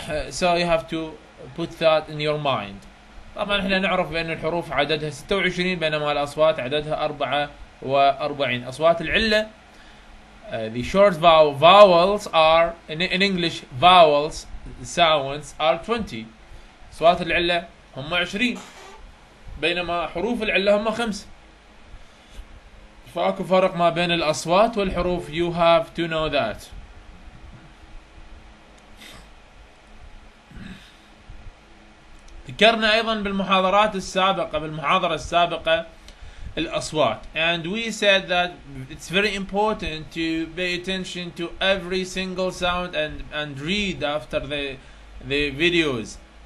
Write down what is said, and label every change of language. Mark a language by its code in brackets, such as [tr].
[en] So you have to put that in your mind. [ar] طبعا احنا نعرف بان الحروف عددها 26 بينما الاصوات عددها 44. اصوات العله [en] the short vowels are in English, vowels sounds are 20. [ar] أصوات العلة هم 20 بينما حروف العلة هم 5. فأكو فرق ما بين الأصوات والحروف. [en] You have to know that. [ar] ذكرنا أيضا بالمحاضرات السابقة بالمحاضرة السابقة الأصوات. [en] And we said that it's very important to pay attention to every single sound and read after the videos.